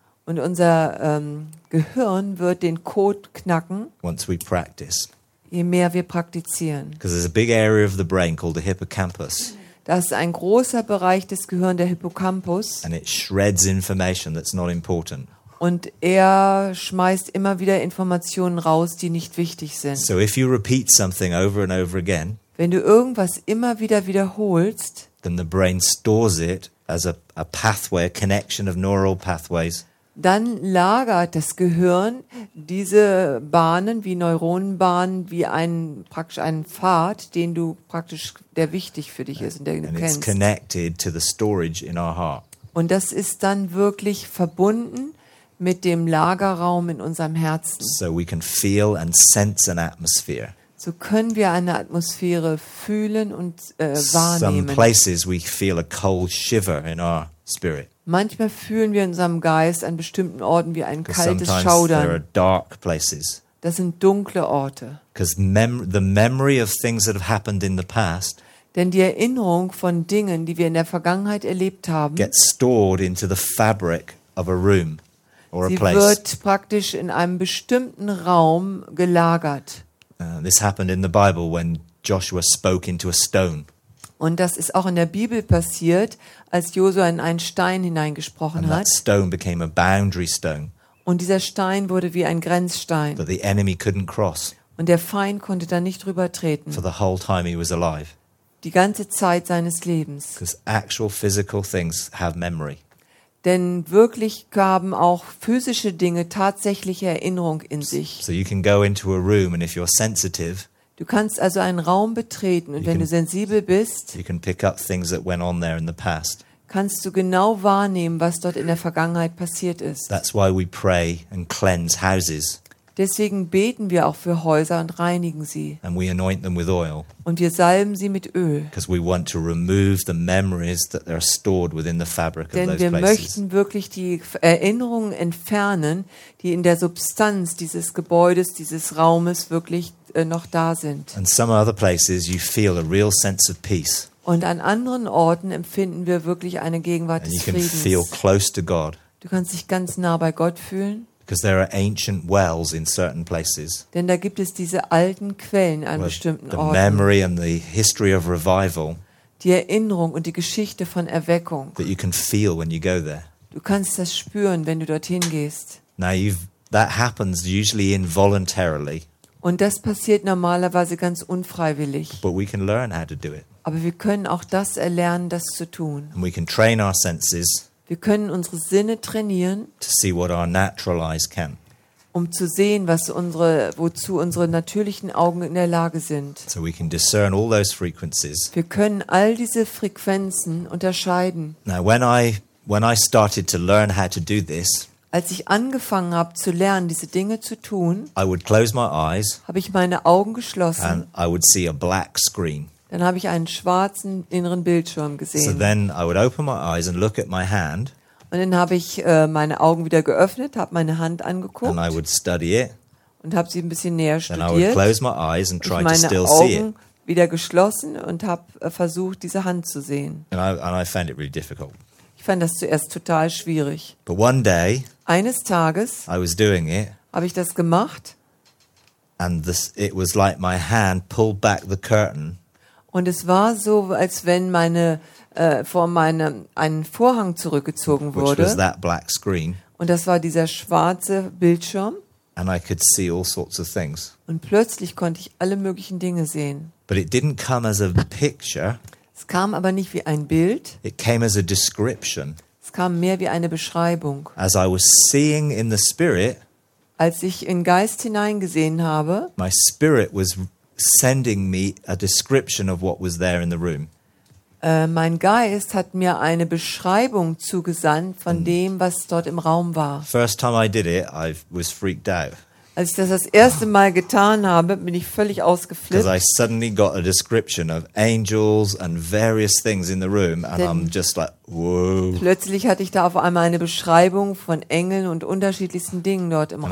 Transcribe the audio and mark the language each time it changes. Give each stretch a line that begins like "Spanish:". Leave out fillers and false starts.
German: Und unser Gehirn wird den Code knacken.
English: Once we practice.
German: Je mehr wir praktizieren.
English: Because there's a big area of the brain called the hippocampus.
German: Das ist ein großer Bereich des Gehirns, der Hippocampus.
English: And it shreds information that's not important.
German: Und er schmeißt immer wieder Informationen raus, die nicht wichtig sind.
English: So if you repeat something over and over again,
German: wenn du irgendwas immer wieder wiederholst,
English: then the brain stores it as a pathway, a connection of neural pathways.
German: Dann lagert das Gehirn diese Bahnen wie Neuronenbahnen wie praktisch einen Pfad, den du praktisch der wichtig für dich ist und den du kennst.
English: And it's connected to the storage in our heart.
German: Und das ist dann wirklich verbunden mit dem Lagerraum in unserem Herzen.
English: So we can feel and sense an atmosphere.
German: So können wir eine Atmosphäre fühlen und wahrnehmen.
English: Some places we feel a cold shiver in our spirit.
German: Manchmal fühlen wir in unserem Geist an bestimmten Orten wie ein kaltes Schaudern.
English: There are dark places.
German: Das sind dunkle Orte.
English: Because the memory of things that have happened in the past.
German: Denn die Erinnerung von Dingen, die wir in der Vergangenheit erlebt haben,
English: gets stored into the fabric of a room.
German: Sie wird praktisch in einem bestimmten Raum gelagert.
English: This happened in the Bible when Joshua spoke into a stone.
German: Und das ist auch in der Bibel passiert, als Josua in einen Stein hineingesprochen hat.
English: And that stone became a boundary stone.
German: Und dieser Stein wurde wie ein Grenzstein.
English: That the enemy couldn't cross.
German: Und der Feind konnte da nicht drüber treten.
English: For the whole time he was alive.
German: Die ganze Zeit seines Lebens.
English: Because actual physical things have memory.
German: Denn wirklich haben auch physische Dinge tatsächliche Erinnerung in sich.
English: So you can go into a room and if you're sensitive,
German: du kannst also einen Raum betreten und wenn du sensibel bist,
English: you can pick up things that went on there in the past.
German: Kannst du genau wahrnehmen, was dort in der Vergangenheit passiert ist.
English: That's why we pray and cleanse houses.
German: Deswegen beten wir auch für Häuser und reinigen sie.
English: And we anoint them with oil.
German: Und wir salben sie mit Öl.
English: Because we want to remove the memories that are stored within the fabric of those places.
German: Denn wir möchten wirklich die Erinnerungen entfernen, die in der Substanz dieses Gebäudes, dieses Raumes wirklich noch da sind.
English: And some other places you feel a real sense of peace.
German: Und an anderen Orten empfinden wir wirklich eine Gegenwart des Friedens.
English: And you can feel close to God.
German: Du kannst dich ganz nah bei Gott fühlen.
English: Because there are ancient wells in certain places.
German: Denn da gibt es diese alten Quellen an bestimmten Orten.
English: The memory and the history of revival.
German: Die Erinnerung und die Geschichte von Erweckung.
English: That you can feel when you go there.
German: Du kannst das spüren, wenn du dorthin gehst.
English: Now That happens usually involuntarily.
German: Und das passiert normalerweise ganz unfreiwillig.
English: But we can learn how to do it.
German: Aber wir können auch das erlernen, das zu tun.
English: And we can train our senses.
German: Wir können unsere Sinne trainieren,
English: to see what our natural eyes can.
German: Um zu sehen, was unsere, wozu unsere natürlichen Augen in der Lage sind.
English: So we can discern all those frequencies.
German: Wir können all diese Frequenzen unterscheiden.
English: Now, when I started to learn how to do this,
German: als ich angefangen habe zu lernen, diese Dinge zu tun,
English: I would close my eyes,
German: habe ich meine Augen geschlossen,
English: and I would see a black screen.
German: Dann habe ich einen schwarzen inneren Bildschirm gesehen.
English: So then I would open my eyes and look at my hand.
German: Und dann habe ich meine Augen wieder geöffnet, habe meine Hand angeguckt.
English: And I would study it.
German: Und habe sie ein bisschen näher
English: then
German: studiert.
English: I would close my eyes and try
German: und meine
English: to still
German: Augen
English: see it.
German: Wieder geschlossen und habe versucht, diese Hand zu sehen.
English: And I found it really difficult.
German: Ich fand das zuerst total schwierig.
English: But one day,
German: eines Tages,
English: I was doing it,
German: habe ich das gemacht.
English: And this, it was like my hand pulled back the curtain.
German: Und es war so, als wenn meine vor meinem einen Vorhang zurückgezogen wurde.
English: Which was that black screen.
German: Und das war dieser schwarze Bildschirm.
English: And I could see all sorts of things.
German: Und plötzlich konnte ich alle möglichen Dinge sehen.
English: But it didn't come as a picture.
German: Es kam aber nicht wie ein Bild.
English: It came as a description.
German: Es kam mehr wie eine Beschreibung.
English: As I was seeing in the spirit.
German: Als ich in Geist hineingesehen habe.
English: My spirit was sending me a description of what was there in the room.
German: Mein Geist hat mir eine Beschreibung zugesandt von dem, was dort im Raum war.
English: First time I did it, I was freaked out.
German: Als ich das erste Mal getan habe, bin ich völlig ausgeflippt.
English: Because I suddenly got a description of angels and various things in the room, and I'm just like, whoa.
German: Plötzlich hatte ich da auf einmal eine Beschreibung von Engeln und unterschiedlichsten Dingen dort im Raum.